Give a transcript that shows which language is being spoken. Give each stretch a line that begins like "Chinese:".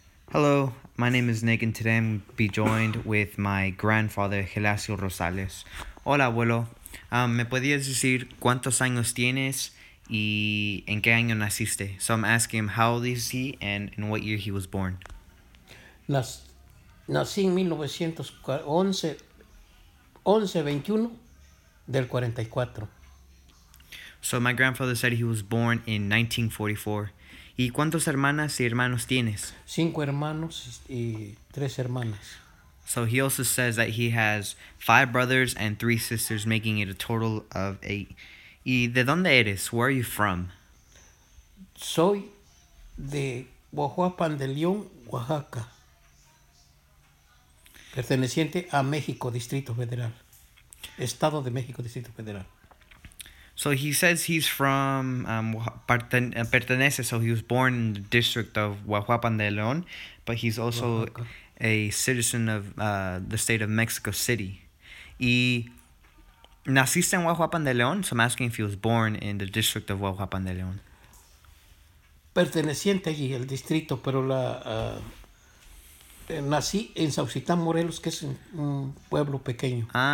English: Hello, my name is Nick, and today I'm be joined with my grandfather, Gelasio Rosales.
Spanish: Hola, abuelo. ¿Me podrías decir cuántos años tienes y en qué año naciste?
English: So I'm asking him, how old is he and in what year he was born?
Spanish: Nací en 1911-21 del 44.
English: So my grandfather said he was born in 1944.
Spanish: ¿Y cuántas hermanas y hermanos tienes? 5 hermanos y 3 hermanas.
English: So he also says that he has 5 brothers and 3 sisters, making it a total of 8.
Spanish: ¿Y de dónde eres?
English: Where are you from?
Spanish: Soy de Huajuapan de León, Oaxaca. Perteneciente a México, Distrito Federal. Estado de México, Distrito Federal.
English: So he says he's from, pertenece, so he was born in the district of Huajuapan de León, but he's also Oaxaca. A citizen of the state of Mexico City.
Spanish: ¿Y naciste en Huajuapan de León?
English: So I'm asking if he was born in the district of Huajuapan de León.
Spanish: Perteneciente allí, el distrito, pero nací en Sauzitlán, Morelos, que es un pueblo pequeño.